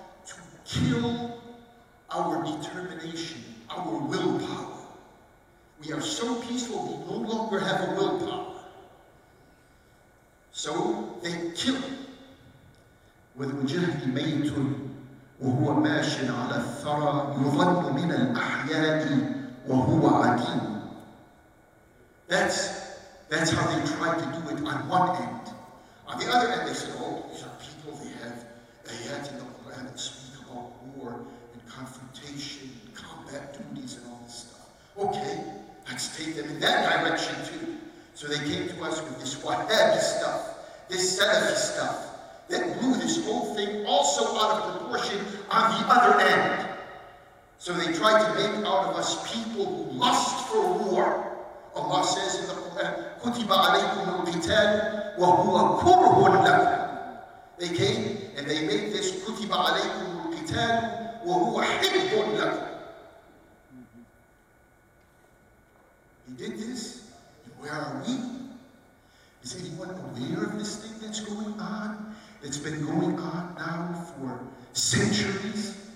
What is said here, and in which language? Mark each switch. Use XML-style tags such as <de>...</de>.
<en>To kill our determination, our willpower. We are so peaceful, we no longer have a willpower. So they kill with Mujahid al-Maytun.</en> <ar>وهو ماشي على الثرى يظن من الأحياء وهو عديم.</ar> <en>That's how they tried to do it on one end. On the other end they said, oh, these are people, they have ayat in the Quran that speak about war and confrontation and combat duties and all this stuff. Okay, let's take them in that direction too. So they came to us with this Wahhabi stuff, this Salafi stuff, that blew this whole thing also out of proportion on the other end. So they tried to make out of us people who lust for war. Allah says in the Quran,</en> <ar>كُتِبَ عَلَيْكُمُ الْقِتَالُ وَهُوَ كُرْهٌ لَكُمْ.</ar> <en>They came and they made this</en> <ar>كُتِبَ عَلَيْكُمُ الْقِتَالُ وَهُوَ حِبٌّ لَكُمْ.</ar> <en>He did this, and where are we? Is anyone aware of this thing that's going on? It's been going on now for centuries.</en>